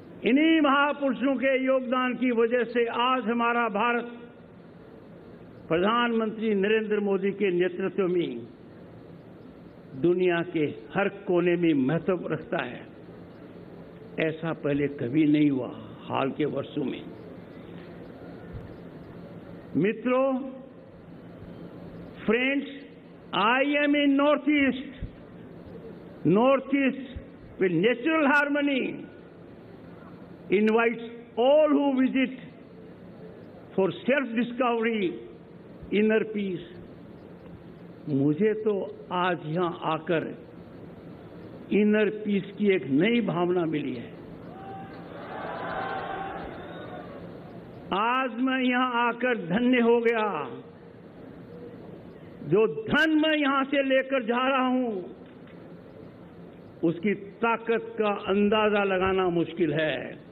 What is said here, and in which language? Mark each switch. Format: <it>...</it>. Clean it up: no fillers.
<hi>इन्हीं महापुरुषों के योगदान की वजह से आज हमारा भारत प्रधानमंत्री नरेंद्र मोदी के नेतृत्व में दुनिया के हर कोने में महत्व रखता है। ऐसा पहले कभी नहीं हुआ हाल के वर्षों में।</hi> <en>मित्रों, friends, I am in North East. North East with natural harmony invites all who visit for self-discovery, inner peace.</en> <hi>मुझे तो आज यहां आकर inner peace की एक नई भावना मिली है। आज मैं यहां आकर धन्य हो गया। जो धन मैं यहां से लेकर जा रहा हूं उसकी ताकत का अंदाजा लगाना मुश्किल है।</hi>